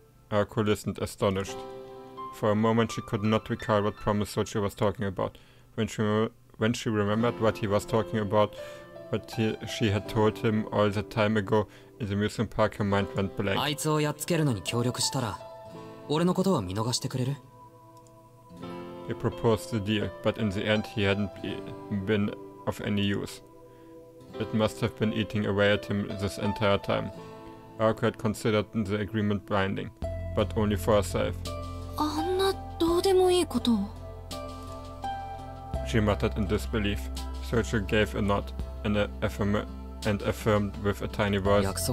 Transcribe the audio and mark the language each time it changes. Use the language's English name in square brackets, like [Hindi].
[English] Aoko listened astonished. For a moment she could not recall what promise Soichi was talking about. When she remembered what he was talking about, what she had told him all that time ago in the amusement park, her mind went blank. [Japanese] あいつをやっつけるのに協力したら、俺のことを見逃してくれる? [English] He proposed the deal, but in the end he hadn't been of any use. It must have been eating away at him this entire time. Aoko had considered the agreement binding, but only for herself. [Japanese] あんなどうでもいいこと? [English] She muttered in disbelief. Soichi gave a nod and affirmed with a tiny voice.